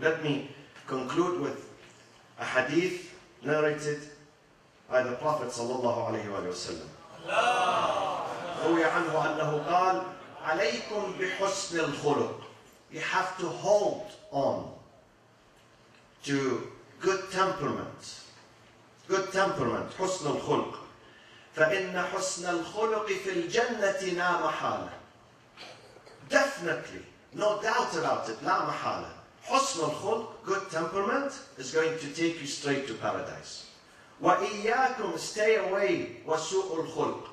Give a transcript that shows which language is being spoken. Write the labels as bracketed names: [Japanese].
[English] Let me conclude with a hadith narrated by the Prophet [Arabic] صلى الله عليه وسلم. الله روي عنه أنه قال عليكم بحسن الخلق. [English] You have to hold on to good temperament. Good temperament, [Arabic] حسن الخلق. فإن حسن الخلق في الجنة لا محالة. [English] Definitely, no doubt about it, [Arabic] لا محالة. حسن الخلق, [English] good temperament, is going to take you straight to paradise. [Arabic] وإياكم, [English] stay away, [Arabic] وسوء الخلق.